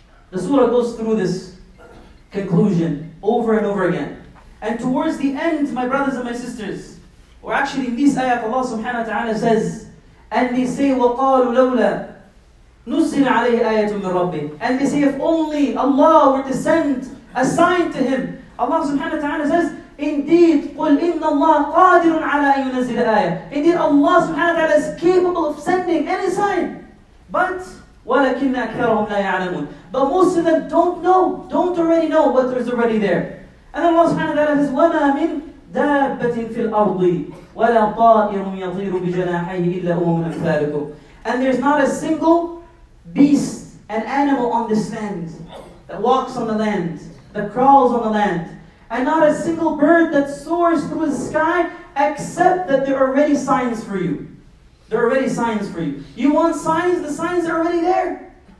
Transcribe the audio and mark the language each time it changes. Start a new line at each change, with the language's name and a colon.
English: The surah goes through this conclusion over and over again. And towards the end, my brothers and my sisters, or actually in this ayat, Allah subhanahu wa ta'ala says, and they say,
Arabic: وَقَالُوا لَوْلَا نُزِّلَ عَلَيْهِ آيَةٌ مِّن رَبِّهِ.
English: And they say, if only Allah were to send a sign to him. Allah subhanahu wa ta'ala says, indeed,
Arabic: قُلْ إِنَّ اللَّهَ قَادِرٌ عَلَىٰ أَن يُنَزِّلَ آيَةٌ.
English: Indeed, Allah subhanahu wa ta'ala is capable of sending any sign. But,
Arabic: وَلَكِنَّ أَكْثَرَهُمْ لَا يَعْلَمُونَ.
English: But most of them don't know, don't already know what there's already there. And Allah subhanahu wa ta'ala says,
Arabic: وَمَا مِنْ دَابَّةٍ فِي الْأَرْضِ وَلَا طَائِرٌ يَطِيرُ بِجَنَاحَيْهِ إِلَّا أُمَمٌ أَمْثَالُكُمْ.
English: And there's not a single beast, an animal on this land, that walks on the land, that crawls on the land, and not a single bird that soars through the sky, except that there are already signs for you. There are already signs for you. You want signs? The signs are already there.